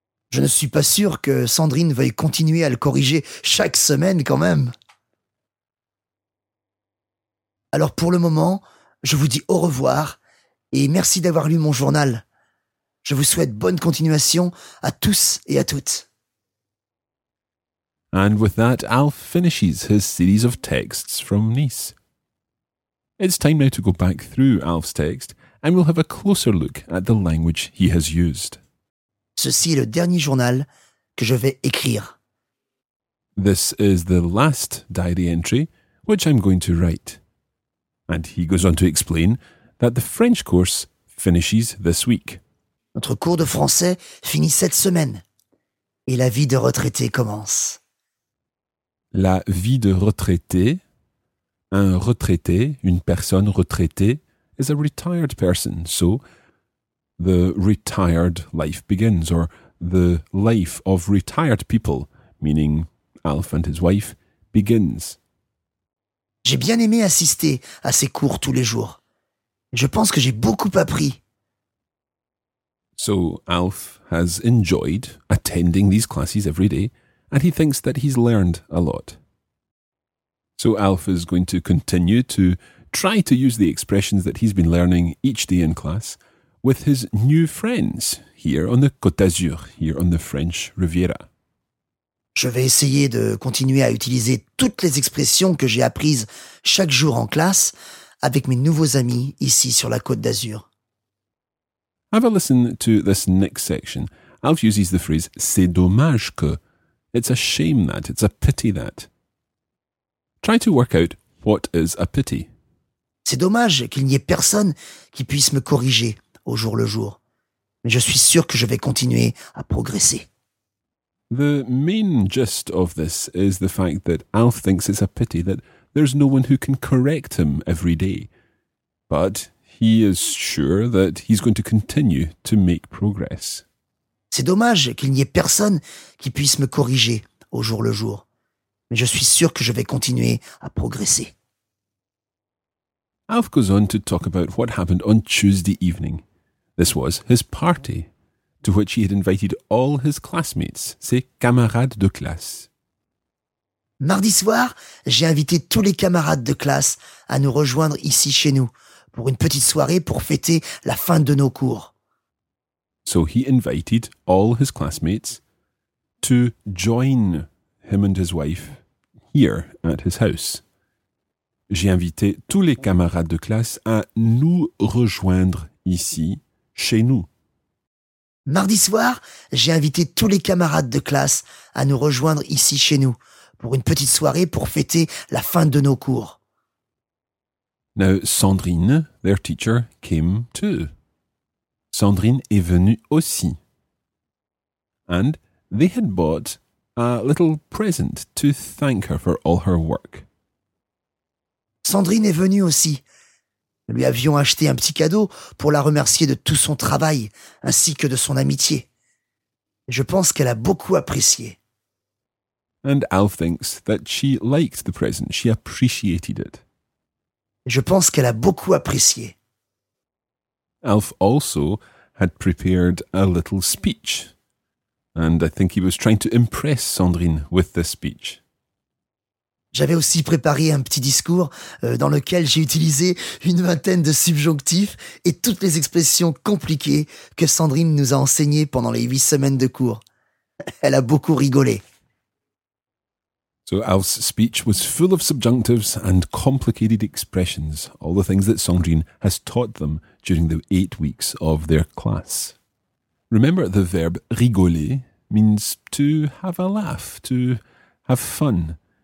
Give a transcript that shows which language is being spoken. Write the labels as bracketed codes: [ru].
[fr] Je ne suis pas sûr que Sandrine veuille continuer à le corriger chaque semaine quand même. Alors pour le moment, je vous dis au revoir et merci d'avoir lu mon journal. Je vous souhaite bonne continuation à tous et à toutes. [en] And with that, Alf finishes his series of texts from Nice. It's time now to go back through Alf's text, and we'll have a closer look at the language he has used. [fr] Ceci est le dernier journal que je vais écrire. [en] This is the last diary entry, which I'm going to write. And he goes on to explain that the French course finishes this week. [fr] Notre cours de français finit cette semaine, et la vie de retraité commence. La vie de retraité. Un retraité, une personne retraitée, [en] is a retired person. So, the retired life begins, or the life of retired people, meaning Alf and his wife, begins. [fr] J'ai bien aimé assister à ces cours tous les jours. Je pense que j'ai beaucoup appris. [en] So, Alf has enjoyed attending these classes every day, and he thinks that he's learned a lot. So Alf is going to continue to try to use the expressions that he's been learning each day in class with his new friends here on the Côte d'Azur, here on the French Riviera. [fr] Je vais essayer de continuer à utiliser toutes les expressions que j'ai apprises chaque jour en classe avec mes nouveaux amis ici sur la Côte d'Azur. [en] Have a listen to this next section. Alf uses the phrase « [fr] c'est dommage que ». [en] It's a shame that, it's a pity that. Try to work out what is a pity. [fr] C'est dommage qu'il n'y ait personne qui puisse me corriger au jour le jour. Mais je suis sûr que je vais continuer à progresser. [en] The main gist of this is the fact that Alf thinks it's a pity that there's no one who can correct him every day. But he is sure that he's going to continue to make progress. [fr] C'est dommage qu'il n'y ait personne qui puisse me corriger au jour le jour. Mais je suis sûr que je vais continuer à progresser. [en] Alf goes on to talk about what happened on Tuesday evening. This was his party, to which he had invited all his classmates, [fr] ses camarades de classe. Mardi soir, j'ai invité tous les camarades de classe à nous rejoindre ici chez nous pour une petite soirée pour fêter la fin de nos cours. [en] So he invited all his classmates to join him and his wife here at his house. [fr] J'ai invité tous les camarades de classe à nous rejoindre ici, chez nous. Mardi soir, j'ai invité tous les camarades de classe à nous rejoindre ici, chez nous, pour une petite soirée pour fêter la fin de nos cours. [en] Now, Sandrine, their teacher, came too. [fr] Sandrine est venue aussi. [en] And they had bought a little present to thank her for all her work. [fr] Sandrine est venue aussi. Nous lui avions acheté un petit cadeau pour la remercier de tout son travail ainsi que de son amitié. Je pense qu'elle a beaucoup apprécié. [en] And Alf thinks that she liked the present. She appreciated it. [fr] Je pense qu'elle a beaucoup apprécié. [en] Alf also had prepared a little speech. And I think he was trying to impress Sandrine with this speech. [fr] J'avais aussi préparé un petit discours dans lequel j'ai utilisé une vingtaine de subjonctifs et toutes les expressions compliquées que Sandrine nous a enseignées pendant les 8 semaines de cours. Elle a beaucoup rigolé. [en] So Alf's speech was full of subjunctives and complicated expressions, all the things that Sandrine has taught them during the 8 weeks of their class. Remember, the verb rigoler means to have a laugh, to have fun.